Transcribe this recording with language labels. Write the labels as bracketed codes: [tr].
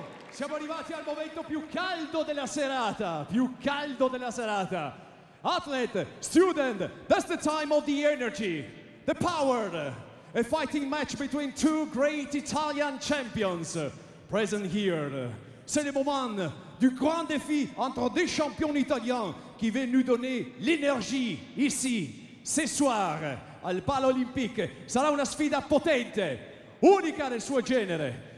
[it] siamo arrivati al momento più caldo della serata, più caldo della serata. [en] Athlete, student, that's the time of the energy, the power. A fighting match between two great Italian champions present here. [fr] C'est le moment du grand défi entre deux champions italiens qui viennent nous donner l'énergie ici, ce soir, al Palo Olympique. [it] Sarà una sfida potente, unica nel suo genere.